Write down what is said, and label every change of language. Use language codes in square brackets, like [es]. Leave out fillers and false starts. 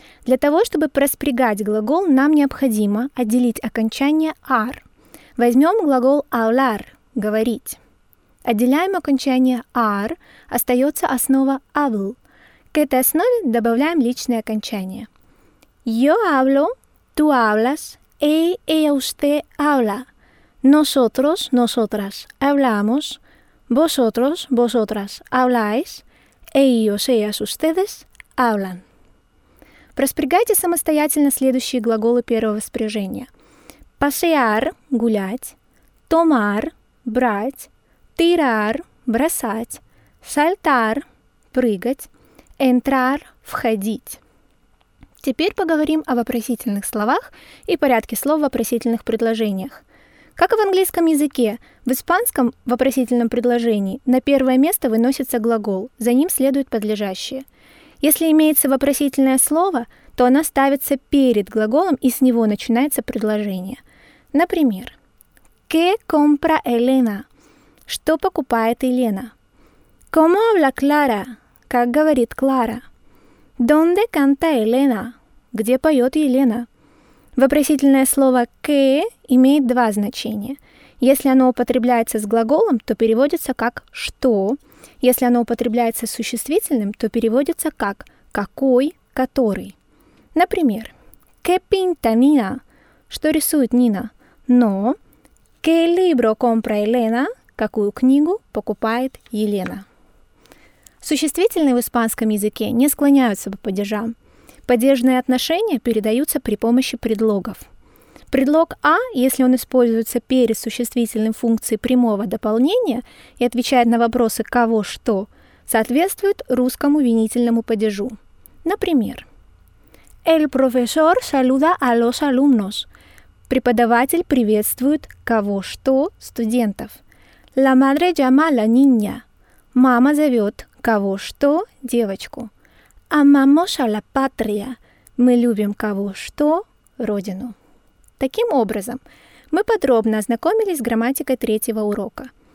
[ru] Для того, чтобы проспрягать глагол, нам необходимо отделить окончание «ar». Возьмем глагол «hablar» – «говорить». Отделяем окончание «ar», остается основа «avl». К этой основе добавляем личное окончание. [es] Yo hablo, tú hablas, ella, usted habla. Nosotros, nosotras hablamos. Vosotros, vosotras habláis. Ellos, ellas, ustedes hablan. [ru] Проспрягайте самостоятельно следующие глаголы первого спряжения. [es] Pasear – гулять. Tomar – брать. Tirar – бросать. Saltar – прыгать. [ru] Entrar – входить. Теперь поговорим о вопросительных словах и порядке слов в вопросительных предложениях. Как и в английском языке, в испанском вопросительном предложении на первое место выносится глагол, за ним следует подлежащее. Если имеется вопросительное слово, то оно ставится перед глаголом и с него начинается предложение. [es] Например, ¿Qué compra Elena? [ru] Что покупает Елена? [es] ¿Cómo habla Clara? [ru] Как говорит Клара? [es] ¿Dónde canta Elena? [ru] Где поет Елена? Вопросительное слово «que» имеет два значения. Если оно употребляется с глаголом, то переводится как «что». Если оно употребляется с существительным, то переводится как «какой», «который». [es] Например, «que pinta Nina?» [ru] Что рисует Нина? Но [es] «que libro compra Elena?» [ru] Какую книгу покупает Елена? Существительные в испанском языке не склоняются по падежам. Падежные отношения передаются при помощи предлогов. Предлог «а», если он используется перед существительным функцией прямого дополнения и отвечает на вопросы «кого», «что», соответствует русскому винительному падежу. [es] Например, «El profesor saluda a los alumnos». [ru] Преподаватель приветствует «кого», «что» студентов. [es] «La madre llama a la niña». [ru] Мама зовет «кого», «что» девочку. [es] Amamos a la patria. [ru] Мы любим кого, что, родину. Таким образом, мы подробно ознакомились с грамматикой третьего урока.